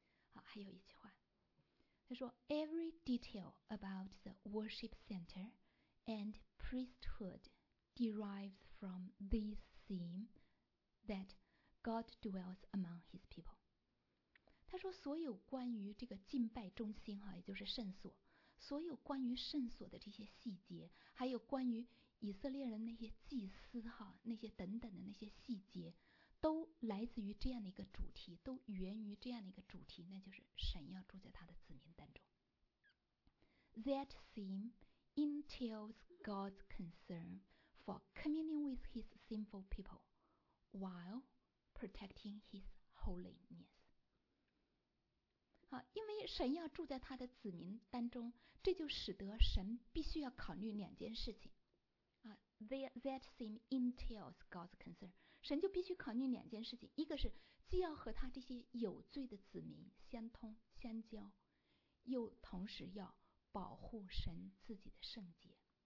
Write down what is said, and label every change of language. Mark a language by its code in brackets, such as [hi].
[zh] 好，还有一句话，他说 [en] Every detail about the worship center and priesthood derives from this theme that God dwells among his people。 [zh] 他说所有关于这个敬拜中心哈，也就是圣所，所有关于圣所的这些细节，还有关于以色列人那些祭司哈，那些等等的那些细节，都来自于这样的一个主题，都源于这样的一个主题，那就是神要住在他的子民当中。 [en] That theme entails God's concern for communing with his sinful people while protecting his holiness。 [zh] 因为神要住在他的子民当中，这就使得神必须要考虑两件事情。 [en] That seem entails God's concern. [zh] 神就必须考虑两件事情，一个是既要和他这些有罪的子民相通相交，又同时要保护神自己的圣洁。